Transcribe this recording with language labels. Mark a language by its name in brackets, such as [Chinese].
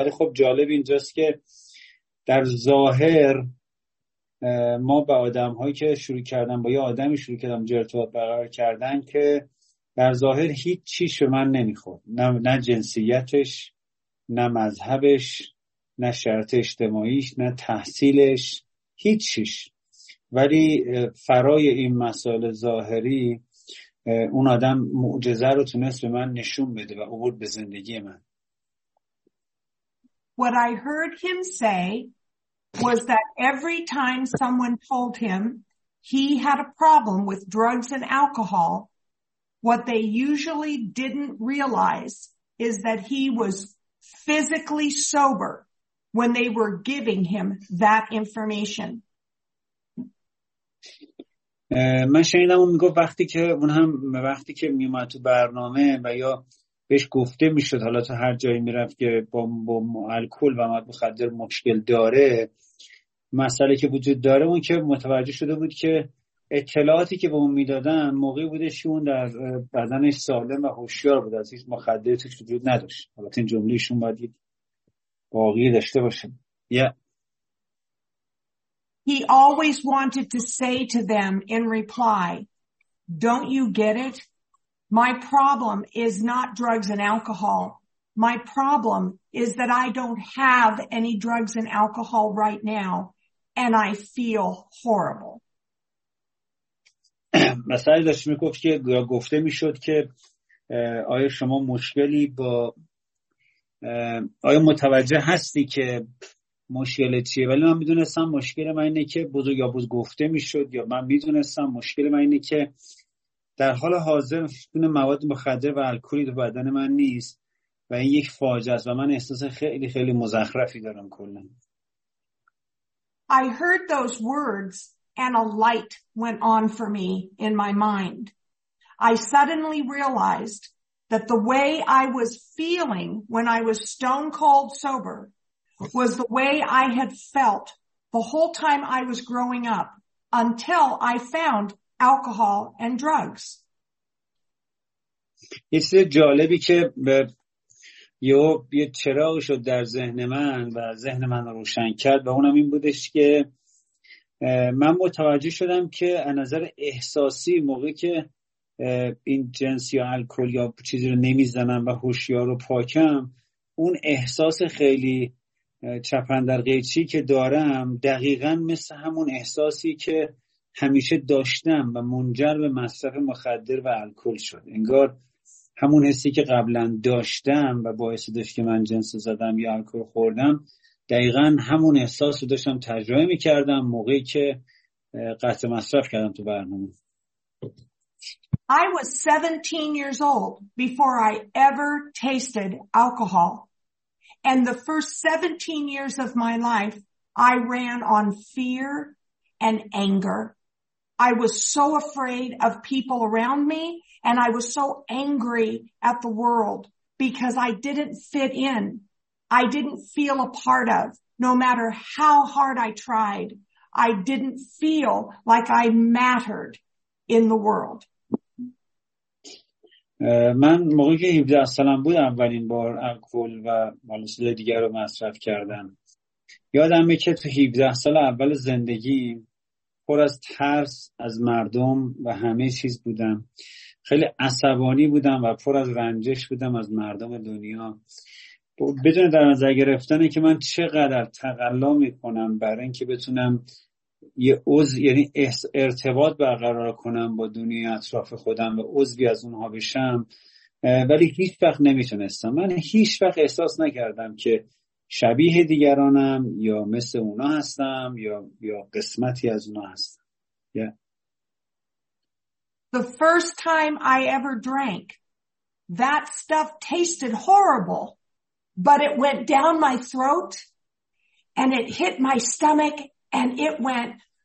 [Persian] ولی خب جالب اینجاست که در ظاهر ما به آدم‌هایی که شروع کردم با یه آدمی شروع کردم ارتباط برقرار کردن که در ظاهر هیچ چیش به من نمی‌خورد، نه جنسیتش، نه مذهبش، نه شرط اجتماعیش، نه تحصیلش، هیچ چیش. ولی فرای این مسائل ظاهری اون آدم معجزه رو تونست به من نشون بده و عبور به زندگی من. [English] What I heard him say was that every time someone told him he had a problem with drugs and alcohol, what they usually didn't realize is that he was physically sober when they were giving him that information. [Persian] من شنیدم اون میگفت وقتی که اون هم وقتی که میومد تو برنامه و یا بهش گفته میشد حالا تو هر جایی میرفت که با الکل و مواد مخدر مشکل داره، مسئله که وجود داره اون که متوجه شده بود که اطلاعاتی که به اون میدادن موقعی بودش که اون در بدنش سالم و هوشیار بود، از هیچ مخدر توش وجود نداشت. حالا این جمله‌شون باید باقی داشته باشه. [English] He always wanted to say to them in reply, "Don't you get it? My problem is not drugs and alcohol. My problem is that I don't have any drugs and alcohol right now, and I feel horrible." [Persian] مثلا داشت میگفت که گفته میشد که آیا شما مشکلی با آیا متوجه هستی که مشکل چیه، ولی من میدونستم مشکل من اینه که بزرگ یا بزرگ گفته میشد، یا من میدونستم مشکل من اینه که در حال حاضر دونه مواد مخدر و الکلی تو بدن من نیست و این یک فاجعه است و من احساس خیلی خیلی مزخرفی دارم کلا. [English] I heard those words and a light went on for me in my mind. I suddenly realized that the way I was feeling when I was stone cold sober was the way I had felt the whole time I was growing up until I found alcohol and drugs. It's a [Persian] جالبی که یه چراغ شد در ذهن من و ذهن من رو روشن کرد و اونم این بودش که من متوجه شدم که از نظر احساسی موقعی که این جنس یا الکل یا چیزی رو نمیزنم و هوشیار رو پاکم، اون احساس خیلی چپندر قیچی که دارم دقیقا مثل همون احساسی که همیشه داشتم و منجر به مصرف مخدر و الکل شد. انگار همون حسی که قبلا داشتم و باعث داشت که من جنس زدم یا الکل خوردم، دقیقا همون احساس رو داشتم تجربه میکردم موقعی که قطع مصرف کردم تو برنامه. [English] I was 17 years old before I ever tasted alcohol. And the first 17 years of my life, I ran on fear and anger. I was so afraid of people around me, and I was so angry at the world because I didn't fit in. I didn't feel a part of. No matter how hard I tried, I didn't feel like I mattered in the world. [Persian] من موقعی که 17 سالم بود اولین بار الکل و مواد دیگر رو مصرف کردم. یادمه که تو 17 سال اول زندگی پر از ترس از مردم و همه چیز بودم، خیلی عصبانی بودم و پر از رنجش بودم از مردم دنیا، بدون در نظر گرفتن که من چقدر تقلا میکنم برای این که بتونم یه عضو، یعنی ارتباط برقرار کنم با دنیا اطراف خودم و عضوی از اونها بشم، ولی هیچ وقت نمیتونستم. من هیچ وقت احساس نکردم که شبیه دیگرانم یا مثل اونا هستم یا قسمتی از اونا هستم. [English] Yeah. The first time I ever drank, that stuff tasted horrible, but it went down my throat and it hit my stomach and it went.